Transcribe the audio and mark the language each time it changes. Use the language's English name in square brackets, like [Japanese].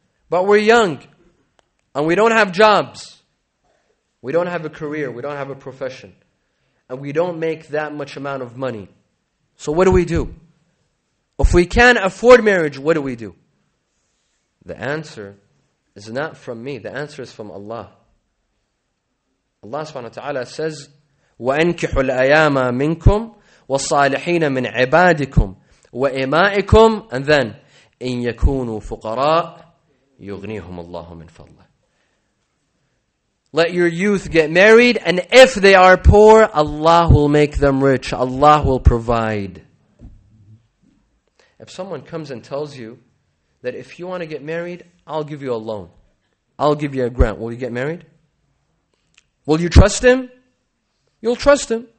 [English] But we're young, and we don't have jobs. We don't have a career, we don't have a profession. And we don't make that much amount of money. So what do? If we can't afford marriage, what do? The answer is not from me, the answer is from Allah. Allah subhanahu wa ta'ala says, [Arabic] وَأَنْكِحُ الْأَيَامَ مِنْكُمْ وَالصَّالِحِينَ مِنْ عِبَادِكُمْ وَإِمَائِكُمْ [English] and then, [Arabic] إِنْ يَكُونُوا فُقَرَاءَ يُغْنِيهُمُ اللَّهُ مِنْ فَضْلِهِ. [English] Let your youth get married, and if they are poor, Allah will make them rich. Allah will provide. If someone comes and tells you that if you want to get married, I'll give you a loan. I'll give you a grant. Will you get married? Will you trust him? You'll trust him.